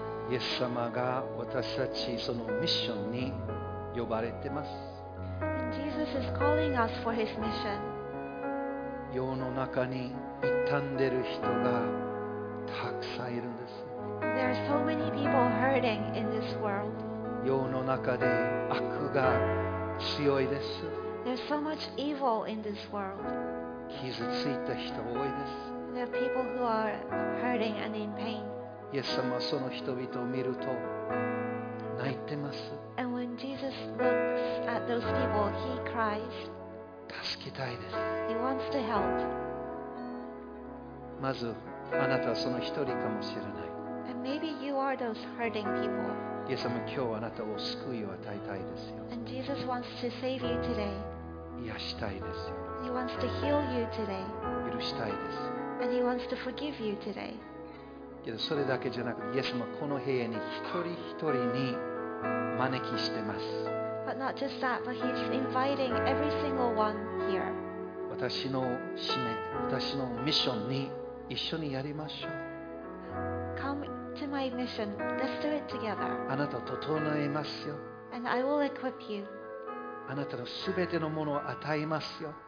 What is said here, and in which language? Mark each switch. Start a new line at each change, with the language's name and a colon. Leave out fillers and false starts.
Japanese: イエス様が私たちそのミッションに呼ばれてます。
English: Jesus is calling us for his mission.
Japanese: 世の中に傷んでる人がたくさんいるんです。
English: There are so many people hurting in this world.
Japanese: 世の中で悪が強いです。
English: There's so much evil in this world.
Japanese: 傷ついた人多いです。
English: There are people who are hurting and in pain.
Japanese: イエス様はその人々を見ると泣いてます。
English: And when Jesus looks at those people, he cries.
Japanese: 助けたいです。
English: He wants to help.
Japanese: まずあなたはその一人かもしれない。
English: And maybe you are those hurting people.
Japanese: イエス様、今日あなたを救いを与えたいですよ。
English: And Jesus wants to save you today.
Japanese: 癒したいですよ。
English: He wants to heal you today.
Japanese: 許したいです。
English: And he wants to forgive you today.
Japanese: けどそれだけじゃなくて、イエス様この部屋に一人一人に招きしてます。
English: But not just that, but he's inviting every single one here.
Japanese: 私の使命、私のミッションに一緒にやりましょう。
English: Come to my mission. Let's do it together.
Japanese: あなたを整えますよ。
English: And I will equip you.
Japanese: あなたのすべてのものを与えますよ。